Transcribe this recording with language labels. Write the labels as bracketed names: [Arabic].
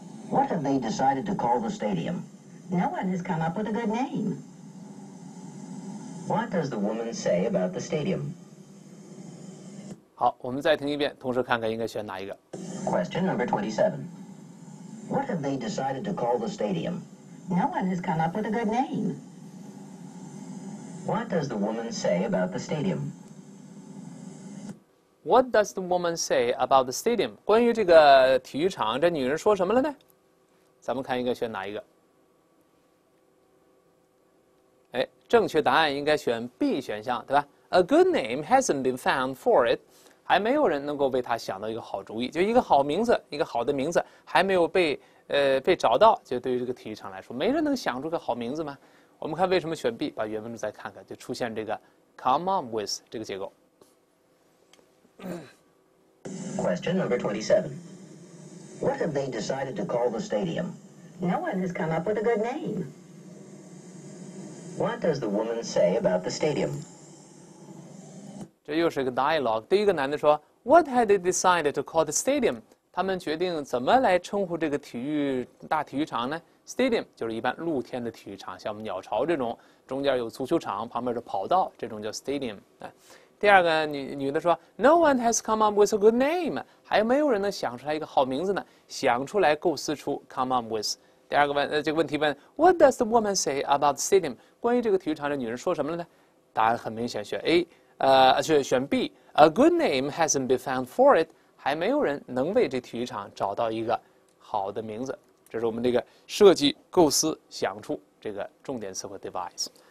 [English] What have they decided to call the stadium? No one has come up with a good name. What does the woman say about the stadium? [Chinese] 好，我们再听一遍，同时看看应该选哪一个。 [English] Question number 27. What have they decided to call the stadium? No one has come up with a good name. What does the woman say about the stadium? What does the woman say about the stadium? [Chinese] 关于这个体育场，这女人说什么了呢？咱们看应该选哪一个。正确答案应该选 B 选项，对吧 ？ [English] A good name hasn't been found for it， [Chinese] 还没有人能够为他想到一个好主意，就一个好名字，一个好的名字还没有被找到。就对于这个体育场来说，没人能想出个好名字吗？我们看为什么选 B， 把原文再看看，就出现这个 [English] come up with [Chinese] 这个结构。 [English] Question number 27. What have they decided to call the stadium? No one has come up with a good name. What does the woman say about the stadium? [Chinese] 这又是一个 dialogue. 第一个男的说 [English] ，What had they decided to call the stadium? [Chinese] 他们决定怎么来称呼这个体育大体育场呢 ？Stadium 就是一般露天的体育场，像我们鸟巢这种，中间有足球场，旁边是跑道，这种叫 stadium。第二个女的说 [English] ，No one has come up with a good name. [Chinese] 还没有人能想出来一个好名字呢。想出来，构思出 ， [English] come up with。 [Chinese] 第二个问，这个问题问 [English] ，What does the woman say about the stadium？ [Chinese] 关于这个体育场，这女人说什么了呢？答案很明显，选 A， 选 B。 [English] A good name hasn't been found for it， [Chinese] 还没有人能为这体育场找到一个好的名字。这是我们这个设计、构思、想出这个重点词汇 device。